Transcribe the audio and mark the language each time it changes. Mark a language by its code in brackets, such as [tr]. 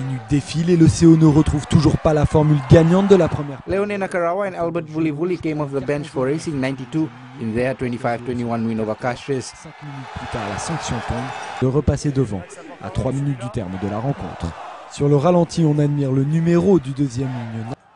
[fr] Défile et l'OCO ne retrouve toujours pas la formule gagnante de la première. [en] Leone Nakarawa and Albert Vulivuli came off the bench for Racing 92 in their 25-21 win over Caxias. [fr] 5 minutes plus tard, la sanction tombe de repasser devant à 3 minutes du terme de la rencontre. Sur le ralenti, on admire le numéro du deuxième ligne.